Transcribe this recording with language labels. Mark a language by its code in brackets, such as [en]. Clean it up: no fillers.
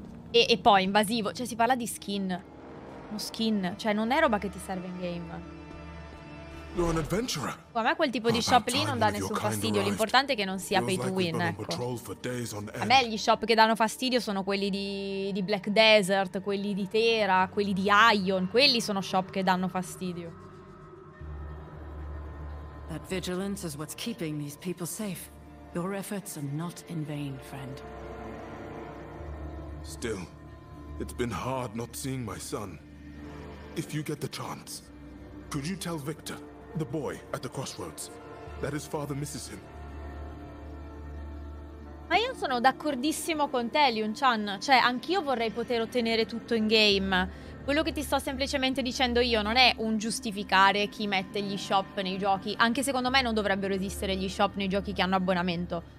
[it] E poi invasivo, cioè si parla di skin. Uno skin, cioè non è roba che ti serve in game. [en] You're an adventurer. [it] A me quel tipo di shop lì non dà nessun fastidio. L'importante è che non sia pay to win, ecco. A me gli shop che danno fastidio sono quelli di Black Desert, quelli di Tera, quelli di Ion. Quelli sono shop che danno fastidio. [en] That vigilance is what's keeping these people safe. Your efforts are not in vain, friend. Still, it's been hard not seeing my son. If you get the chance, could you tell Victor, the boy at the crossroads, that his father misses him? [it] Ma io sono d'accordissimo con te, Liun-chan. Cioè, anch'io vorrei poter ottenere tutto in game. Quello che ti sto semplicemente dicendo io non è un giustificare chi mette gli shop nei giochi. Anche secondo me non dovrebbero esistere gli shop nei giochi che hanno abbonamento.